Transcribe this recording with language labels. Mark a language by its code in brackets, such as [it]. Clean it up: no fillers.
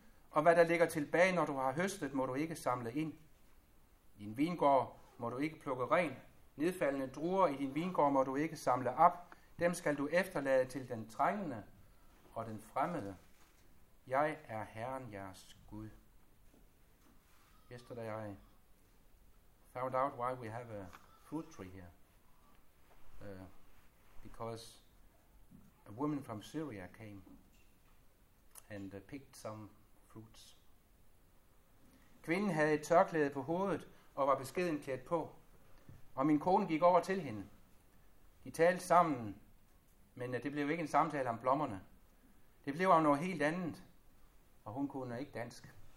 [da] Og hvad der ligger tilbage, når du har høstet, må du ikke samle ind. Din vingård må du ikke plukke ren. Nedfaldende druer i din vingård må du ikke samle op. Dem skal du efterlade til den trængende og den fremmede. Jeg er Herren jeres Gud. [en] Yesterday I found out why we have a fruit tree here. Because a woman from Syria came and picked some fruits. [da] Kvinden havde et tørklæde på hovedet og var beskeden klædt på. Og min kone gik over til hende. De talte sammen, men det blev ikke en samtale om blommerne. Det blev om noget helt andet, og hun kunne ikke dansk.